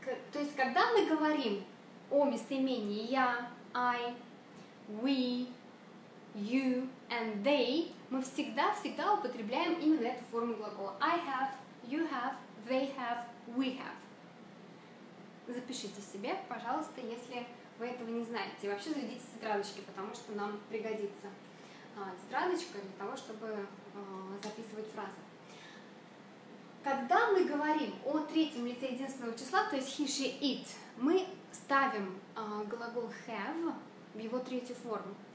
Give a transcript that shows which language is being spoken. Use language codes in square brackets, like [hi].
[ru] То есть, когда мы говорим о местоимении я, [en] I, we, you and they, [ru] мы всегда-всегда употребляем именно эту форму глагола. [en] I have, you have, they have, we have. [ru] Запишите себе, пожалуйста, если вы этого не знаете. И вообще заведите тетрадочки, потому что нам пригодится тетрадочка для того, чтобы записывать фразы. Когда мы говорим о третьем лице единственного числа, то есть [en] he, she, it, [ru] мы ставим глагол have в его третью форму.